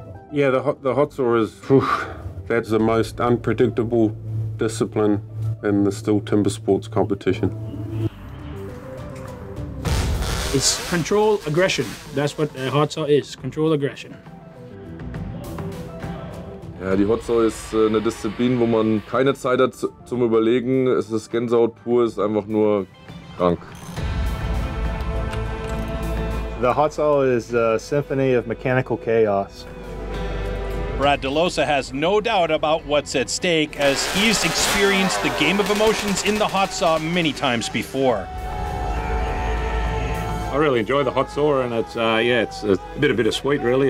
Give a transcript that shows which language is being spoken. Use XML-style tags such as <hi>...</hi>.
<en>Yeah, the hot saw is, that's the most unpredictable discipline in the STIHL Timbersports competition. It's control aggression. That's what the hot saw is, control aggression.</en> <de>Ja, die Hot Saw ist eine Disziplin, wo man keine Zeit hat zum Überlegen. Es ist Gänsehaut pur, es ist einfach nur krank.</de> <en>The Hot Saw is a symphony of mechanical chaos. Brad DeLosa has no doubt about what's at stake, as he's experienced the game of emotions in the Hot Saw many times before. I really enjoy the hot saw, and it's a bit of bittersweet, really.</en>